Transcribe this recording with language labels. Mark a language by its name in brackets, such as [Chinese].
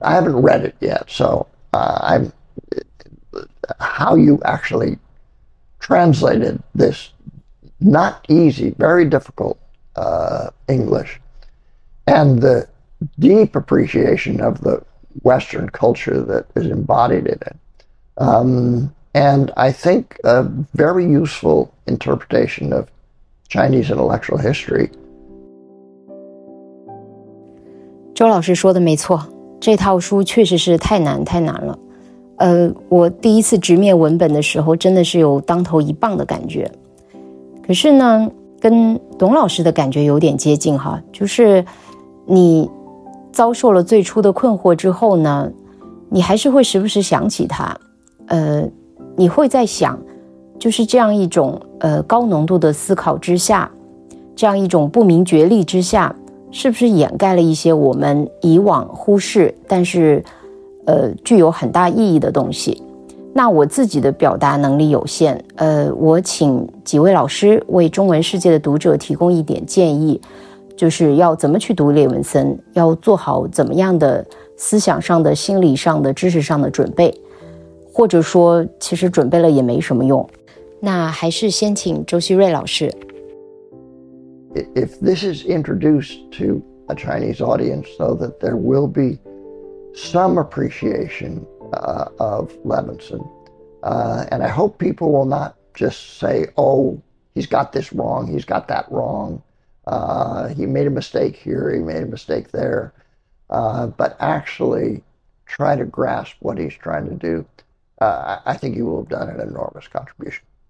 [English] I haven't read it yet, so how you actually translated this not easy, very difficult English, and the deep appreciation of the Western culture that is embodied in it. And I think a very useful interpretation of Chinese intellectual history. [Chinese] 周老师说的没错，这套书确实是太难太难了。我第一次直面文本的时候真的是有当头一棒的感觉。可是呢，跟董老师的感觉有点接近哈，就是你遭受了最初的困惑之后呢，你还是会时不时想起它，你会在想，就是这样一种高浓度的思考之下，这样一种不明觉厉之下，是不是掩盖了一些我们以往忽视但是具有很大意义的东西。那我自己的表达能力有限，我请几位老师为中文世界的读者提供一点建议，就是要怎么去读列文森，要做好怎么样的思想上的、心理上的、知识上的准备，或者说其实准备了也没什么用。那还是先请周希瑞老师。 [English] If this is introduced to a Chinese audience so that there will be some appreciation of Levinson, and I hope people will not just say, oh, he's got this wrong, he's got that wrong, he made a mistake here, he made a mistake there, but actually try to grasp what he's trying to do, I think you will have done an enormous contribution.